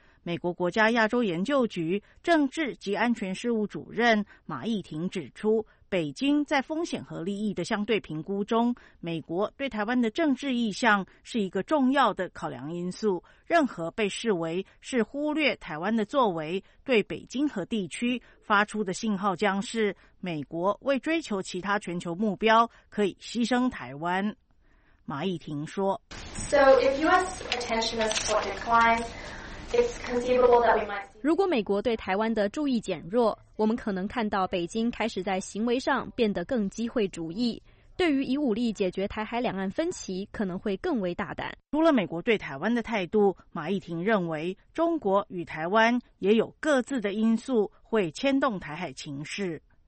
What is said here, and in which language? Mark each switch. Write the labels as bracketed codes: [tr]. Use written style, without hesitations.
[zh] 美国国家亚洲研究局政治及安全事务主任马益廷指出，北京在风险和利益的相对评估中，美国对台湾的政治意向是一个重要的考量因素，任何被视为是忽略台湾的作为，对北京和地区发出的信号将是美国为追求其他全球目标可以牺牲台湾。马益廷说， [en] So if US attention is for decline, it's conceivable that we might... [zh] 如果美国对台湾的注意减弱，我们可能看到北京开始在行为上变得更机会主义，对于以武力解决台海两岸分歧可能会更为大胆。除了美国对台湾的态度，马益廷认为中国与台湾也有各自的因素会牵动台海情势。